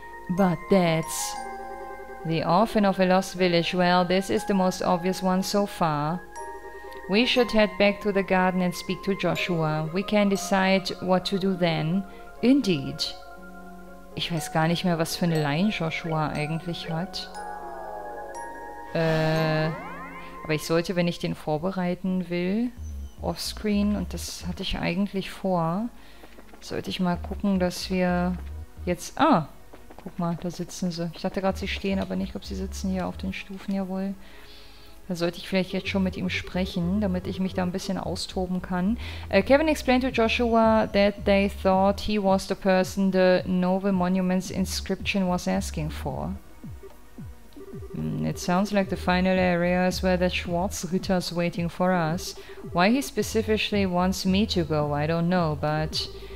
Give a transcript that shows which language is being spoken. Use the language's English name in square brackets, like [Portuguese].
[English] But that's... The orphan of a lost village, well, this is the most obvious one so far. We should head back to the garden and speak to Joshua. We can decide what to do then. Indeed. [German] Ich weiß gar nicht mehr, was für eine Line Joshua eigentlich hat. Aber ich sollte, wenn ich den vorbereiten will, offscreen, und das hatte ich eigentlich vor, sollte ich mal gucken, dass wir jetzt... Ah, guck mal, da sitzen sie. Ich dachte gerade, sie stehen, aber nicht, ob sie sitzen hier auf den Stufen, jawohl. Da sollte ich vielleicht jetzt schon mit ihm sprechen, damit ich mich da ein bisschen austoben kann. [English] Kevin explained to Joshua that they thought he was the person the Noble Monument's inscription was asking for. It sounds like the final area is where the Schwarzritter is waiting for us. Why he specifically wants me to go, I don't know, but...